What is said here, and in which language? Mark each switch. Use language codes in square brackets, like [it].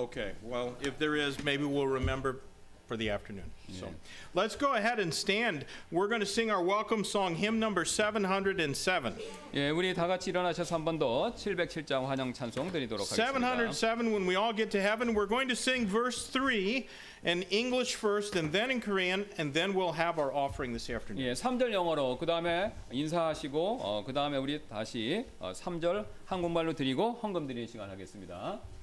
[en] Okay, well, if there is, maybe we'll remember for the afternoon. Yeah. So let's go ahead and stand. We're going to sing our welcome song, hymn number 707. [ko] 예, 우리 다 같이 일어나셔서 한 번 더 707장 환영 찬송 드리도록 하겠습니다. [en] 707, when we all get to heaven, we're going to sing verse 3 in English first, and then in Korean, and then we'll have our offering this afternoon. [ko] 예, 3절 영어로, 그 다음에 인사하시고, 그 다음에 우리 다시 3절 한국말로 드리고 헌금 드리는 시간 하겠습니다.